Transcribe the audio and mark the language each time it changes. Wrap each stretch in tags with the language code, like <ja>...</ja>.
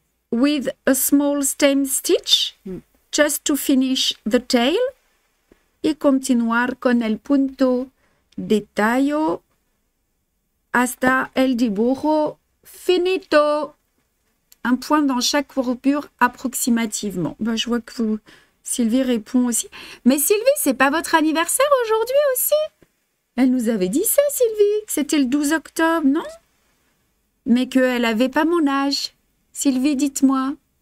<en>with a small stem stitch just to finish the tail.</en> <es>Y continuar con el punto de tallo hasta el dibujo finito.</es> <fr>Un point dans chaque courbure approximativement. Ben, je vois que vous, Sylvie répond aussi. Mais Sylvie, c'est pas votre anniversaire aujourd'hui aussi? Elle nous avait dit ça, Sylvie, que c'était le 12 octobre, non? Mais qu'elle n'avait pas mon âge. Sylvie, dites-moi.</fr>